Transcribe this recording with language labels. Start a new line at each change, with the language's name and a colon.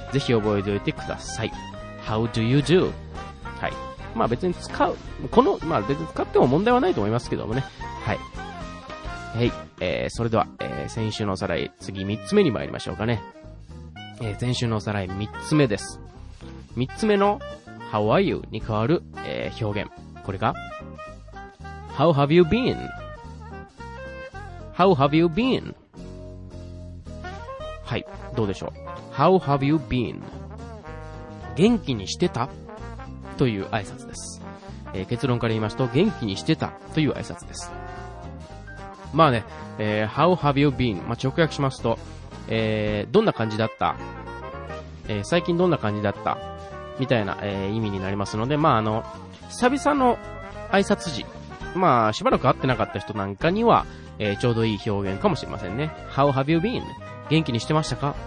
Japanese: ぜひ覚えておいてください。
English: How do you do?
Japanese: はい、まあ別に使うこの、まあ別に使っても問題はないと思いますけどもね。はい、それでは、先週のおさらい、次三つ目に参りましょうかね。先週のおさらい三つ目です。三つ目の
English: How are you?
Japanese: に代わる、表現。これが
English: How have you been? How have you been?
Japanese: はい、どうでしょう。
English: How have you been?
Japanese: 元気にしてた? という挨拶です。結論から言いますと、元気にしてたという挨拶です。まあね、
English: How have you been?
Japanese: まあ、直訳しますと、どんな感じだった、最近どんな感じだったみたいな、意味になりますので、まあ久々の挨拶時、まあしばらく会ってなかった人なんかには、ちょうどいい表現かもしれませんね。
English: How have you been?
Japanese: 元気にしてましたか？